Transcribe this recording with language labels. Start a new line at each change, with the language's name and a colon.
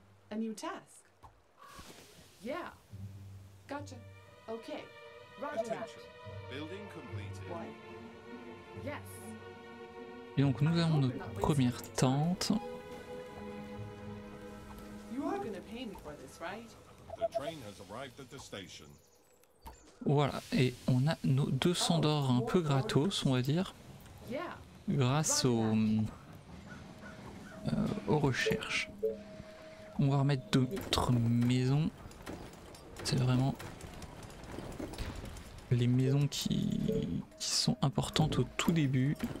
English: A new task. Yeah. Gotcha. Okay. Roger. Attention. Building completed. What? Yes.
French: Et donc nous avons notre première tente.
English: You are gonna pay me for this, right? The train has arrived at the station.
French: Voilà, et on a nos 200 d'or un peu gratos, on va dire, grâce aux recherches. On va remettre d'autres maisons. C'est vraiment les maisons qui sont importantes au tout début.